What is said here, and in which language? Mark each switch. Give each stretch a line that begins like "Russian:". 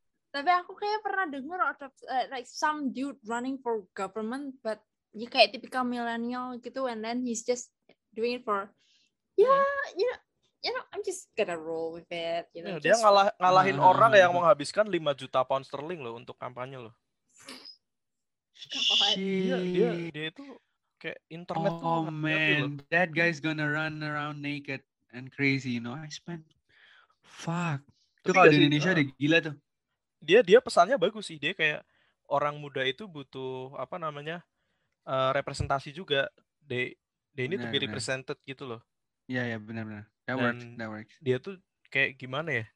Indonesian: Tapi aku kayak pernah dengar ada
English: like some dude running for government, but
Indonesian: dia kayak
English: typical millennial
Indonesian: gitu,
English: and then he's just doing it for, you know, I'm just gonna roll with it. You know, yeah,
Indonesian: dia ngalahin orang yang menghabiskan 5 juta pound sterling loh untuk kampanye loh. Dia itu kayak internet.
English: Oh man, that guy's gonna run around naked and crazy, you know? I spent. Fuck.
Indonesian: Itu kalau di Indonesia ada gila tuh. Dia pesannya bagus sih. Dia kayak orang muda itu butuh apa namanya representasi juga.
English: They need to be represented
Indonesian: gitu loh. Iya, benar-benar.
English: That works.
Indonesian: Dia tuh kayak gimana ya?